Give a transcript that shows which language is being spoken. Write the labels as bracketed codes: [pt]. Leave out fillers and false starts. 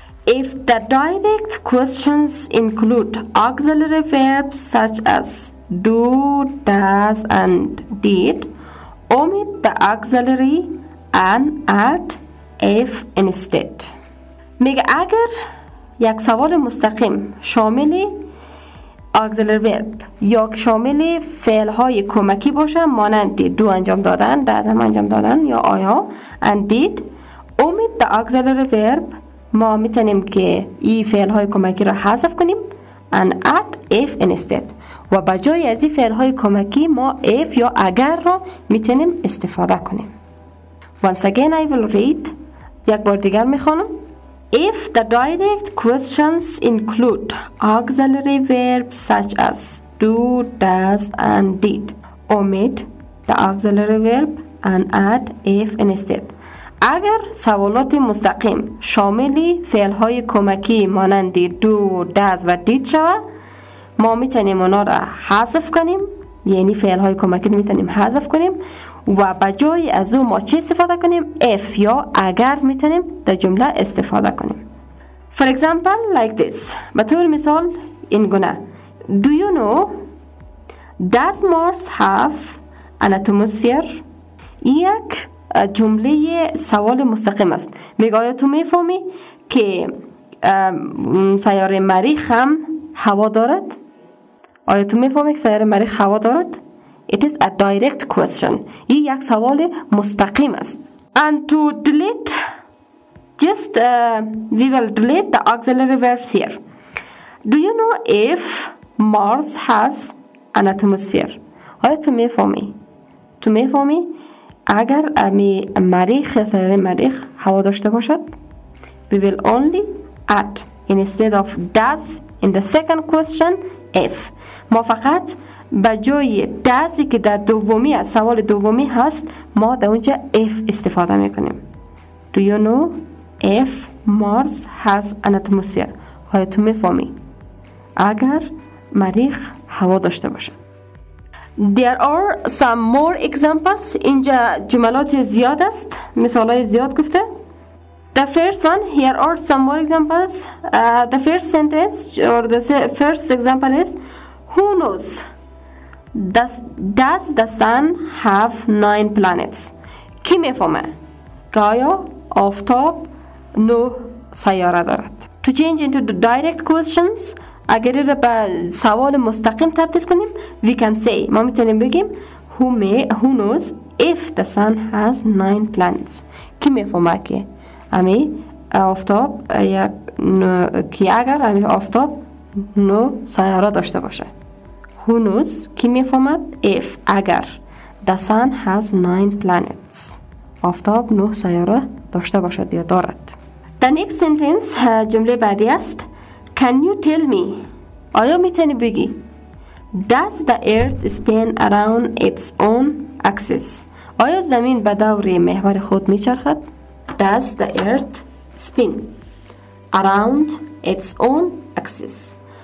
[en] If the direct questions include auxiliary verbs such as do, does, and did, omit the auxiliary and add if instead. [fa] میگه اگر یک سوال مستقیم شامل auxiliary verb یا شامل فعل های کمکی باشه مانند دو انجام دادن، does هم انجام دادن یا آیا [en] and did, omit the auxiliary verb. [fa] ما میتونیم که ای فعل های کمکی را حذف کنیم [en] and add if instead [fa] و بجای از این فعل های کمکی ما if یا اگر را میتونیم استفاده کنیم. [en] Once again I will read. [fa] یک بار دیگر میخوانم. [en] If the direct questions include auxiliary verbs such as do, does and did, omit the auxiliary verb and add if instead. [fa] اگر سوالات مستقیم شامل فعل های کمکی مانند دو، داز و دید شود ما میتونیم اونا را حذف کنیم، یعنی فعل های کمکی میتونیم حذف کنیم و به جای از او ما چه استفاده کنیم؟ اف یا اگر میتونیم در جمله استفاده کنیم. [en] For example like this. [fa] به طور مثال این گونه. [en] Do you know does Mars have an atmosphere؟ [fa] یک جمله سوال مستقیم است. میگه آیا تو میفهمی که سیاره مریخ هم هوا دارد؟ آیا تو میفهمی که سیاره مریخ هوا دارد؟ [en] It is a direct question. [fa] یه یک سوال مستقیم است. [en] And to delete, just we will delete the auxiliary verbs here. Do you know if Mars has an atmosphere? [fa] آیا تو میفهمی؟ تو میفهمی؟ اگر امی مریخ یا سیاره مریخ هوا داشته باشد. [en] We will only add instead of does in the second question if. [fa] ما فقط بجای does-ی که در دومی از سوال دومی هست ما در اونجا if استفاده میکنیم. [en] Do you know if Mars has an atmosphere? [fa] آیا تو میفهمی اگر مریخ هوا داشته باشد. [en] There are some more examples. [fa] اینجا جملات زیاد است. مثال های زیاد گفته. [en] The first one, here are some more examples. The first sentence or the first example is Who knows? Does the sun have 9 planets? [fa] کی میفهمه؟ گایا آفتاب 9 سیاره دارد. [en] To change into the direct questions, [fa] اگر را به سوال مستقیم تبدیل کنیم [en] we can say [fa] ما میتونیم بگیم [en] who knows if the sun has 9 planets. [fa] کی میفهمه که امی آفتاب یا کی اگر امی آفتاب 9 سیاره داشته باشه. [en] Who knows [fa] کی میفهمه if اگر [en] the sun has 9 planets [fa] آفتاب 9 سیاره داشته باشد یا دارد. [en] The next sentence [fa] جمله بعدی است [en] Can you tell me? [fa] آیا میتونی بگی? [en] Does the earth spin around its own axis? [fa] آیا زمین به دور محور خود میچرخد? [en] Does the earth spin around its own axis?